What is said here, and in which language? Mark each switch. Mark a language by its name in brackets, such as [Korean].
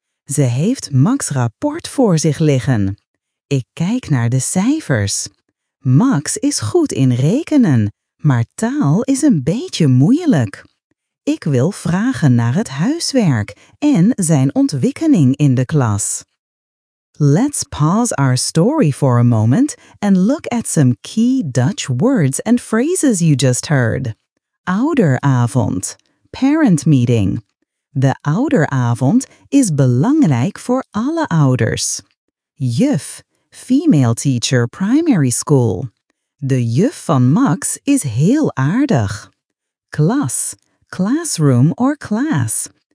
[Dutch] Ze heeft Max' rapport voor zich liggen. Ik kijk naar de cijfers. Max is goed in rekenen, maar taal is een beetje moeilijk. Ik wil vragen naar het huiswerk en zijn ontwikkeling in de klas. [English] Let's pause our story for a moment and look at some key Dutch words and phrases you just heard. Ouderavond, parent meeting. [Dutch] De ouderavond is belangrijk voor alle ouders. [English] Juf, female teacher, primary school. [Dutch] De juf van Max is heel aardig. Klas, [English] classroom or class.